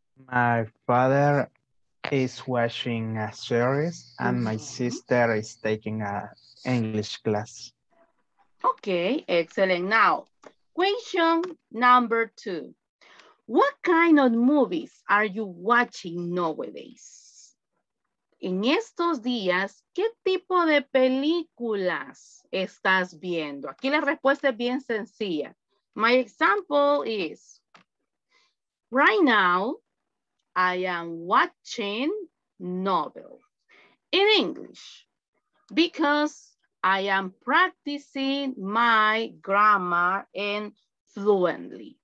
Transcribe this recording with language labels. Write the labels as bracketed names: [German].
[English] My father is watching a series and my sister is taking an English class. Okay, excellent. Now, question number two. What kind of movies are you watching nowadays? [Spanish] En estos días, ¿qué tipo de películas estás viendo? Aquí la respuesta es bien sencilla. [English] My example is, right now, I am watching novels in English because I am practicing my grammar and fluently.